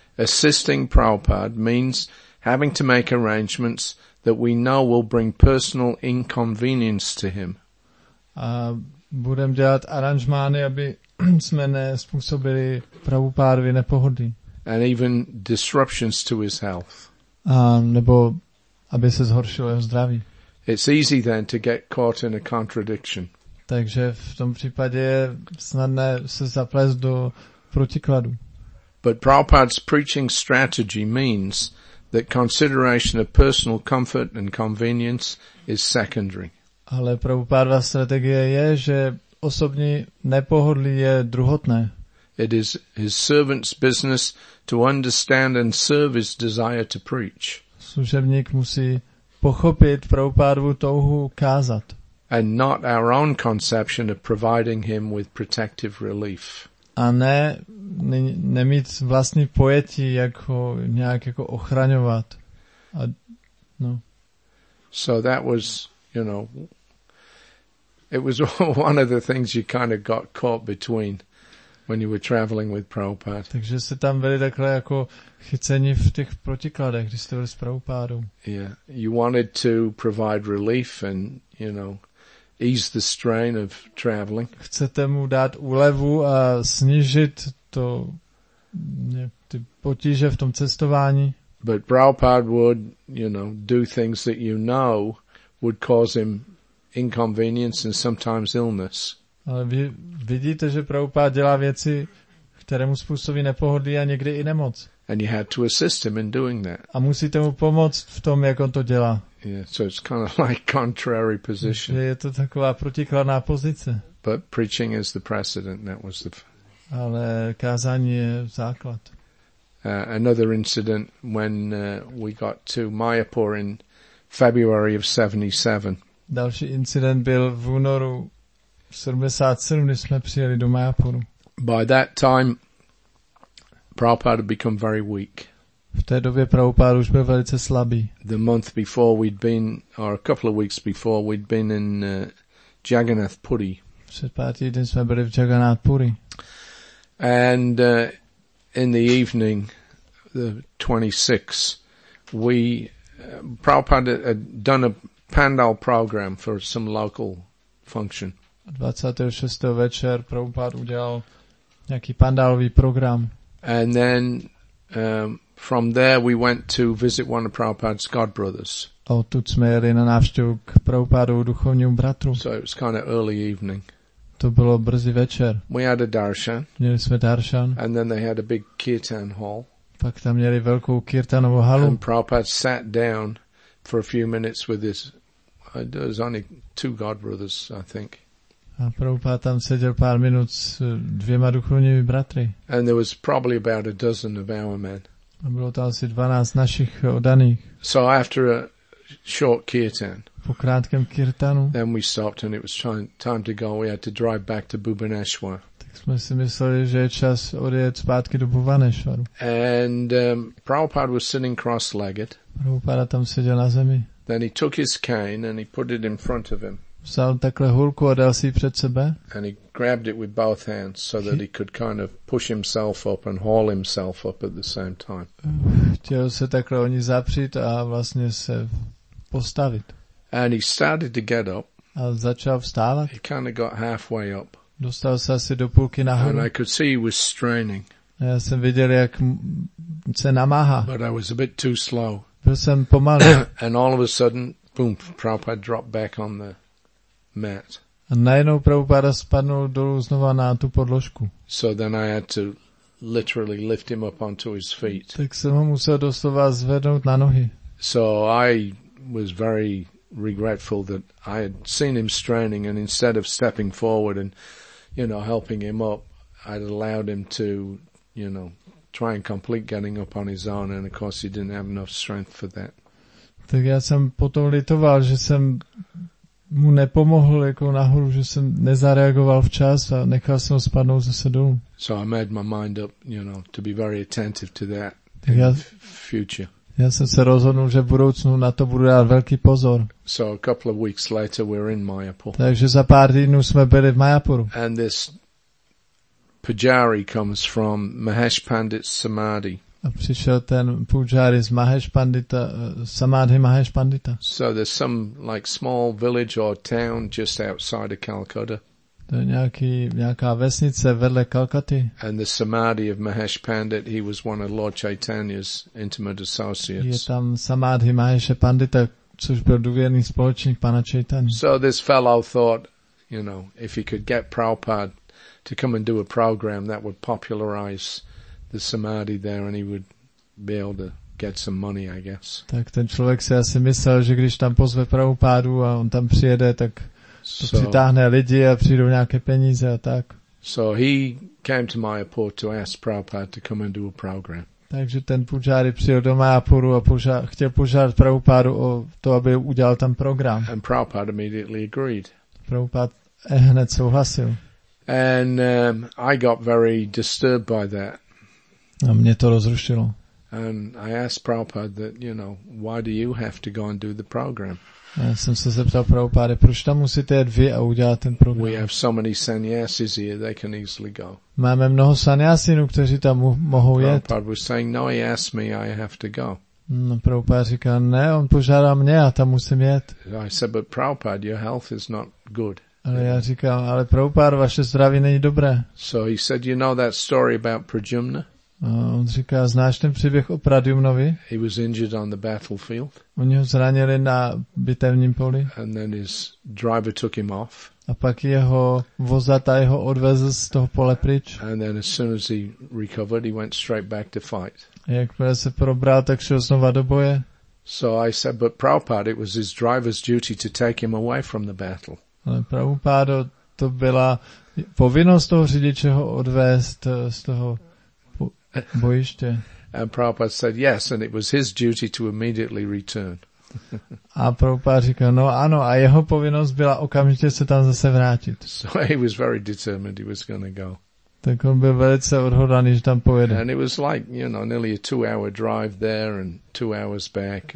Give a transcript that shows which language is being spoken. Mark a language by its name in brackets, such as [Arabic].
[English] Assisting Prabhupada means having to make arrangements that we know will bring personal inconvenience to him. [Czech] A budeme dělat aranžmány, aby jsme nezpůsobili Prabhupádovi nepohody. [English] And even disruptions to his health. [Czech] Nebo aby se zhoršilo jeho zdraví. [English] It's easy then to get caught in a contradiction. [Czech] Takže v tom případě je snadné se zaplést do protikladu. [English] But Prabhupada's preaching strategy means that consideration of personal comfort and convenience is secondary. [Czech] Ale Prabhupádova strategie je, že osobní nepohodlí je druhotné. [English] It is his servant's business to understand and serve his desire to preach. [Czech] Služebník musí pochopit Prabhupádovu touhu kázat. [English] And not our own conception of providing him with protective relief. [Czech] A ne, nemít vlastní pojetí, jak ho nějak jako ochraňovat. A, no. [English] So that was, you know, it was one of the things you kind of got caught between when you were traveling with Prabhupada. [Czech] Takže jste tam byli takhle jako chyceni v těch protikladech, když jste byli s Prabhupádou. [English] Yeah, you wanted to provide relief and, you know, ease the strain of traveling. [Czech] Chcete mu dát úlevu a snížit to ty potíže v tom cestování. [English] But Prabhupada would, you know, do things that you know would cause him inconvenience and sometimes illness. [Czech] Ale vy vidíte, že Prabhupada dělá věci, které mu způsobí nepohodlí a někdy i nemoc. [English] And you had to assist him in doing that. [Czech] A musíte mu pomoct v tom, jak on to dělá. [English] Yeah, so it's kind of like contrary position. [Czech] Je to taková protikladná pozice. [English] But preaching is the precedent, that was the [Czech] Ale kázání je základ. [English] Another incident when we got to Mayapur in February of 77. [Czech] Další incident byl v únoru 77, kdy jsme přijeli do Mayapuru. [English] By that time, Prabhupada had become very weak. [Czech] V té době Prabhupada už byl velice slabý. [English] The month before we'd been, or a couple of weeks before, we'd been in Jagannath Puri. [Czech] Před pár týdny jsme byli v Jagannath Puri. [English] And in the evening, the 26th, we, Prabhupada had done a pandal program for some local function. [Czech] 26. večer Prabhupada udělal nějaký pandalový program. [English] And then from there we went to visit one of Prabhupada's god brothers. [Czech] Odtud jsme jeli na návštěvu k Prabhupádovu duchovnímu bratru. [English] So it was kind of early evening. [Czech] To bylo brzy večer. [English] We had a darshan. [Czech] Měli jsme darshan. [English] And then they had a big kirtan hall. [Czech] Pak tam měli velkou kirtanovou halu. [English] And Prabhupada sat down for a few minutes with his, there was only two god brothers, I think. [Czech] A Prabhupada tam seděl pár minut s dvěma duchovními bratry. [English] And there was probably about a dozen of our men. [Czech] A bylo tam asi 12 našich oddaných. [English] So after a short kirtan. [Czech] Po krátkém kirtanu. [English] Then we stopped and it was time to go. We had to drive back to Bhubaneswar. [Czech] Tak jsme si mysleli, že je čas odjet zpátky do Bhubaneswaru. [English] And Prabhupada was sitting cross-legged. [Czech] Prabhupada tam seděl na zemi. [English] Then he took his cane and he put it in front of him. [Czech] Vzal takhle hůlku a dal si ji před sebe. [English] And he grabbed it with both hands so that he could kind of push himself up and haul himself up at the same time. [Czech] Chtěl se takhle o ní zapřít a vlastně se postavit. [English] And he started to get up. [Czech] A začal vstávat. [English] He kind of got halfway up. [Czech] Dostal se asi do půlky nahoru. [English] And I could see he was straining. [Czech] A já jsem viděl, jak se namáhá. [English] But I was a bit too slow. [Czech] Byl jsem pomalý. [English] And all of a sudden, boom, Prabhupada dropped back on the mat. [Czech] A najednou Prabhupada spadnul dolů znova na tu podložku. [English] So then I had to literally lift him up onto his feet. [Czech] Tak jsem ho musel doslova zvednout na nohy. [English] So I was very regretful that I had seen him straining and instead of stepping forward and, you know, helping him up, I'd allowed him to, you know, try and complete getting up on his own, and of course he didn't have enough strength for that. [Czech] Tak já jsem potom litoval, že jsem mu nepomohl jako nahoru, že jsem nezareagoval včas a nechal jsem ho spadnout zase dolů. [English] So I made my mind up, you know, to be very attentive to that in the future. [Czech] Já jsem se rozhodnul, že v budoucnu na to budu dát velký pozor. [English] So a couple of weeks later we're in Mayapur. [Czech] Takže za pár dní jsme byli v Mayapuru. [English] And this pujari comes from Mahesh Pandit Samadhi. [Czech] A přišel ten pujari z Mahesh Pandita, Samadhi Mahesh Pandita. [English] So there's some like small village or town just outside of Calcutta. [Czech] To je nějaká vesnice vedle Kalkaty. [English] And the Samadhi of Mahesh Pandit, he was one of Lord Chaitanya's intimate associates. [Czech] Je tam Samadhi Maheshe Pandita, což byl důvěrný společník pana Chaitanya. [English] So this fellow thought, you know, if he could get Prabhupada to come and do a program, that would popularize the Samadhi there and he would be able to get some money, I guess. [Czech] Tak ten člověk si asi myslel, že když tam pozve Prabhupádu a on tam přijede, tak to přitáhne lidi a přijdou nějaké peníze a tak. [English] So he came to Mayapur to ask Prabhupada to come and do a program. [Czech] Takže ten pujari přijel do Mayapuru a chtěl požádat Prabhupádu o to, aby udělal tam program. [English] And Prabhupada immediately agreed. [Czech] Prabhupád hned souhlasil. [English] And I got very disturbed by that. [Czech] A mě to rozrušilo. [English] And I asked Prabhupada that, you know, why do you have to go and do the program? [Czech] Já jsem se zeptal Prabhupády, proč tam musíte jít vy a udělat ten program? [English] We have so many sannyasis here, they can easily go. [Czech] Máme mnoho sannyasinů, kteří tam mohou jet. [English] Prabhupada was saying, no, he asked me, I have to go. [Czech] No, Prabhupáda říká, ne, on požádá mě, já tam musím jet. [English] I said, but Prabhupada, your health is not good. [Czech] Ale já říkám, ale Prabhupáda, vaše zdraví není dobré. [English] So he said, you know that story about Prajumna? [Czech] On říká, znáš ten příběh o Pradyumnovi? [English] He was injured on the battlefield. [Czech] Oni ho zranili na bitevním poli. [English] And then his driver took him off. [Czech] A pak jeho vozata jeho odvezl z toho pole pryč. [English] And then as soon as he recovered, he went straight back to fight. [Czech] Jakmile se probral, tak šel znova do boje. [English] So I said, but Prabhupada, it was his driver's duty to take him away from the battle. [Czech] Ale Prabhupáda, to byla Povinnost toho řidiče ho odvést z toho bojiště. [English] And Prabhupada said yes, and it was his duty to immediately return. [Czech] A Prabhupada říkal, no ano, a jeho povinnost byla okamžitě se tam zase vrátit. [English] So he was very determined he was going to go. [Czech] Tak on byl velice odhodlaný, že tam pojede. [English] And it was like, you know, nearly a 2-hour drive there and 2 hours back.